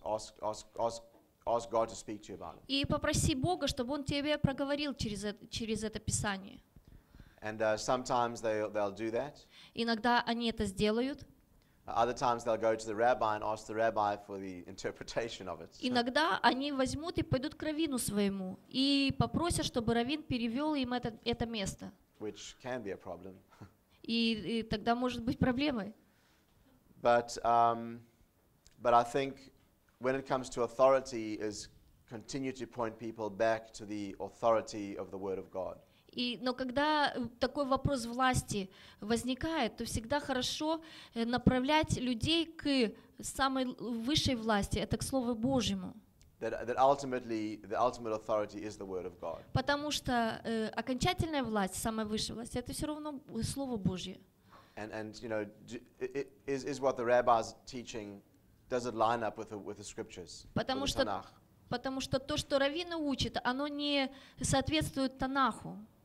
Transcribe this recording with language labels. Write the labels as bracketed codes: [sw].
[en] Ask God to speak to you about it. [ru] И попроси Бога, чтобы Он тебе проговорил через это Писание. [en] And sometimes they'll do that. [ru] Иногда они это сделают. [en] Other times they'll go to the rabbi and ask the rabbi for the interpretation of it. [ru] Иногда они возьмут и пойдут к раввину своему и попросят, чтобы раввин перевел им это место. [en] Which can be a problem. [ru] И тогда может быть проблемой. [en] But I think when it comes to authority, is continue to point people back to the authority of the Word of God. [ru] И, но когда такой вопрос власти возникает, то всегда хорошо направлять людей к самой высшей власти, это к Слову Божьему. [en] That ultimately the ultimate authority is the Word of God. [ru] Потому что окончательная власть, самая высшая власть, это все равно Слово Божье. [en] And you know, is what the rabbis teaching, does it line up with the scriptures? [ru] Потому что то, что раввины учат, оно не соответствует Танаху.